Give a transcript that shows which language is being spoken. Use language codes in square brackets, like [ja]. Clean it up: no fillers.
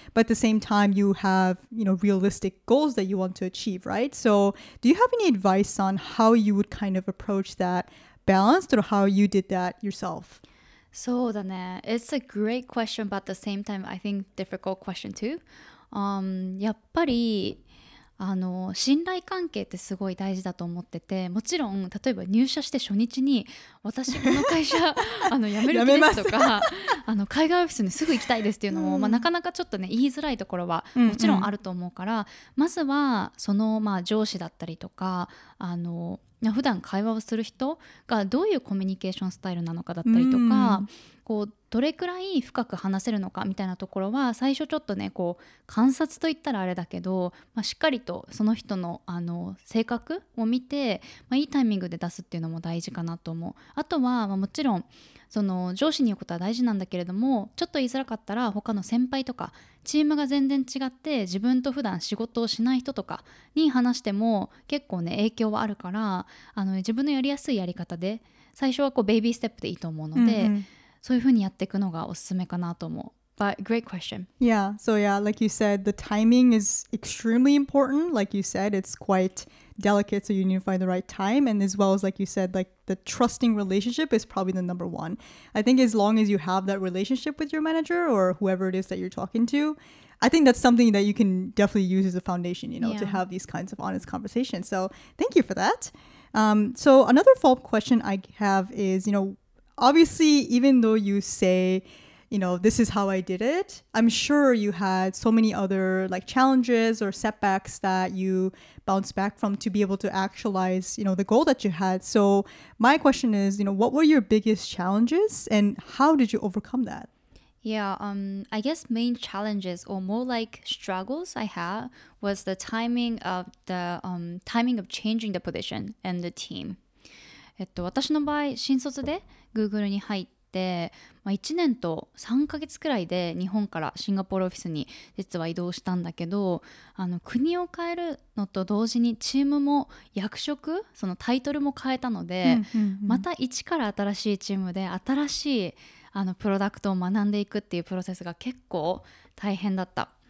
[en] But at the same time, you have, you know, realistic goals that you want to achieve, right? So do you have any advice on how you would kind of approach that balance or how you did that yourself? [ja] そうだね。 [en] It's a great question, but at the same time, I think difficult question too. [ja] やっぱり信頼関係ってすごい大事だと思ってて、もちろん例えば入社して初日に私この会社辞める気ですとか海外オフィスにすぐ行きたいですっていうのも、うんまあ、なかなかちょっとね言いづらいところはもちろんあると思うから、うんうん、まずはその、まあ、上司だったりとか普段会話をする人がどういうコミュニケーションスタイルなのかだったりとか、うん、こうどれくらい深く話せるのかみたいなところは最初ちょっとねこう観察といったらあれだけど、まあ、しっかりとその人の性格を見て、まあ、いいタイミングで出すっていうのも大事かなと思う。あとは、まあ、もちろんその上司に言うことは大事なんだけれども、ちょっと言いづらかったら他の先輩とかチームが全然違って自分と普段仕事をしない人とかに話しても結構ね影響はあるから、自分のやりやすいやり方で最初はこうベイビーステップでいいと思うので、mm-hmm. そういうふうにやっていくのがおすすめかなと思う。 [en] But great question. Yeah, so yeah, like you said, the timing is extremely important. Like you said, it's quite delicate, so you need to find the right time. And as well as like you said, like the trusting relationship is probably the number one. I think as long as you have that relationship with your manager or whoever it is that you're talking to, I think that's something that you can definitely use as a foundation, you know,、yeah. to have these kinds of honest conversations. So thank you for that. So another follow-up question I have is, you know,obviously, even though you say, you know, this is how I did it, I'm sure you had so many other like challenges or setbacks that you bounced back from to be able to actualize, you know, the goal that you had. So my question is, you know, what were your biggest challenges and how did you overcome that? Yeah, I guess main challenges or more like struggles I had was the timing of the timing of changing the position and the team. [ja] 私の場合新卒で Google に入って、まあ、1年と3ヶ月くらいで日本からシンガポールオフィスに実は移動したんだけど、国を変えるのと同時にチームも役職そのタイトルも変えたので、うんうんうん、また一から新しいチームで新しいプロダクトを学んでいくっていうプロセスが結構大変だった。